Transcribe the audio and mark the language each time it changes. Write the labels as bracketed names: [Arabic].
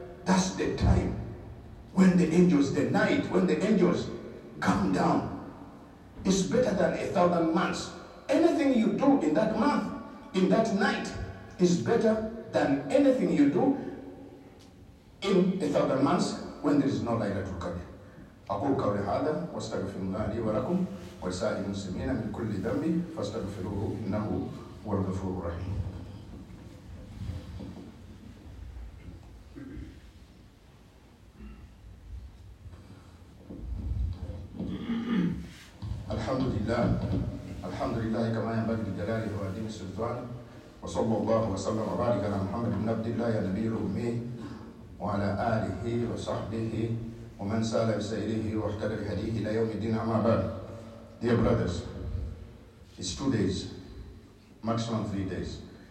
[English] That's the time when the night when the angels come down. It's better than 1,000 months. Anything you do in that month, in that night, is better than anything you do in 1,000 months when there is no Laylatul Qadr. [Arabic] أقول قولي هذا واستغفر الله لي ولكم ولسائر المسلمين من كل ذنب فاستغفروه إنه هو الغفور الرحيم. الحمد لله كما ينبغي لجلاله وعظيم سلطانه. وصلى الله وسلم وبارك على محمد بن عبد الله النبي الأمي وعلى آله وصحبه ومن سال بسيره واهتدى بهديه إلى يوم الدين. أما بعد, [English] dear brothers, it's 2 days, maximum 3 days.